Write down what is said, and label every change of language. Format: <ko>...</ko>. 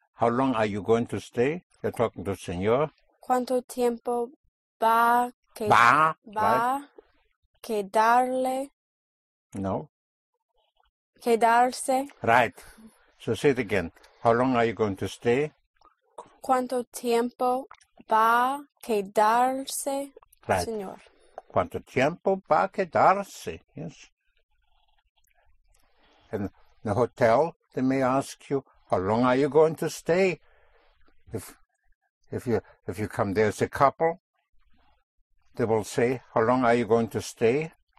<en>How long are you going to stay? You're talking to señor.</en> <es>¿Cuánto tiempo va? Va? Va? Quedarle? No. Quedarse?</es> <en>Right. So say it again. How long are you going to stay?</en> <es>¿Cuánto tiempo va a quedarse,</es> <en>right,</en> <es>señor? ¿Cuánto tiempo va a quedarse?</es> <en>Yes. In the hotel, they may ask you, how long are you going to stay? If you come there as a couple, they will say, how long are you going to stay?</en>